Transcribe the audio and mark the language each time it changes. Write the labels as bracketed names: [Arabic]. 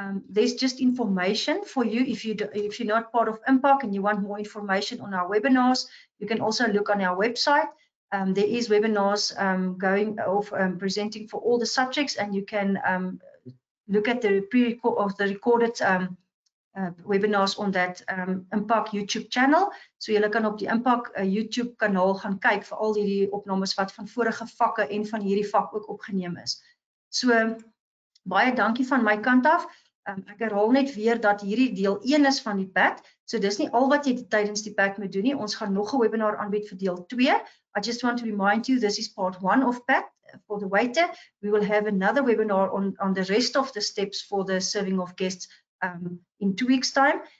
[English] There's just information for you if you're not part of IMPAC and you want more information on our webinars. You can also look on our website. There is webinars presenting for all the subjects, and you can look at the recorded webinars on that IMPAC YouTube channel. [Afrikaans] So jy kan op die IMPAC YouTube kanaal gaan kyk vir al die opnames wat van vorige vakke en van hierdie vak ook opgeneem is. So baie dankie van my kant af. Ek herhaal net weer dat hierdie deel 1 is van die pad. So dis nie al wat jy tydens die pad moet doen nie. Ons gaan nog 'n webinar aanbied vir deel 2. [English] I just want to remind you, this is part 1 of pad for the waiter. We will have another webinar on the rest of the steps for the serving of guests in 2 weeks time.